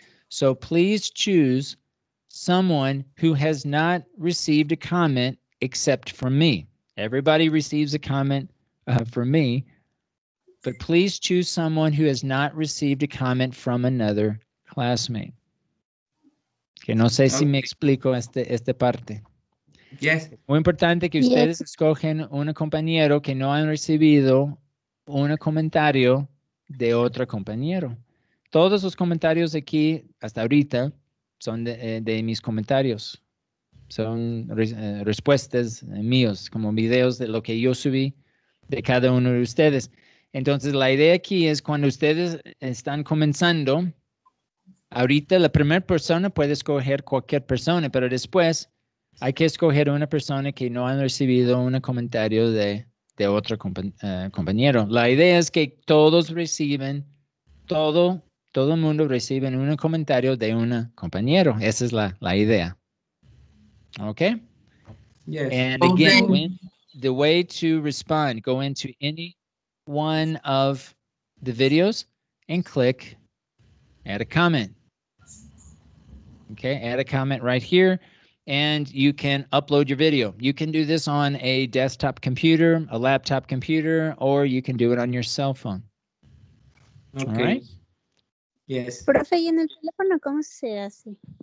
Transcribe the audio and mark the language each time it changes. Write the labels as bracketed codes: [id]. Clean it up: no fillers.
[en] So please choose someone who has not received a comment except from me. Everybody receives a comment from me, but please choose someone who has not received a comment from another classmate. [es] Que no sé si me explico esta parte. [en] Yes. [es] Muy importante que ustedes escogen un compañero que no han recibido un comentario de otro compañero. Todos los comentarios aquí hasta ahorita son de mis comentarios. Son respuestas míos, como videos de lo que yo subí de cada uno de ustedes. Entonces, la idea aquí es cuando ustedes están comenzando, ahorita la primera persona puede escoger cualquier persona, pero después hay que escoger una persona que no ha recibido un comentario de otro compañero. La idea es que todos reciben, todo el mundo recibe un comentario de un compañero. Esa es la idea. Okay? [en] Yes. And again, the way to respond, go into any one of the videos and click add a comment. Okay, add a comment right here, and you can upload your video. You can do this on a desktop computer, a laptop computer, or you can do it on your cell phone. Okay. All right? Yes. [es] Profe, ¿y en el teléfono cómo se hace?